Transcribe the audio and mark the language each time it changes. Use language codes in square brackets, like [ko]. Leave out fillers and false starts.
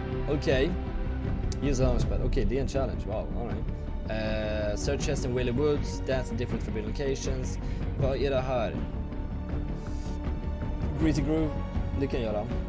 [en] Okej, use the launchpad. Okej, [sv] det är en [en] challenge, wow, all right. Search chest in Willy Woods, dance in different forbidden locations. [sv] Vad är det här? Greasy Groove, det kan jag göra.